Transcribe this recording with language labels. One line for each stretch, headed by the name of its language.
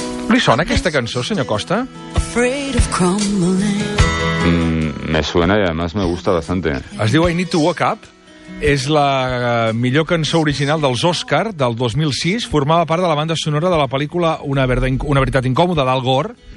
Catalan: Li sona aquesta cançó, senyor Costa?
English: Afraid of crumbling.
Spanish: Me suena y además me gusta bastante.
Catalan: Es diu I Need to Wake Up. És la millor cançó original dels Oscar del 2006. Formava part de la banda sonora de la pel·lícula Una veritat incòmoda, d'Al Gore.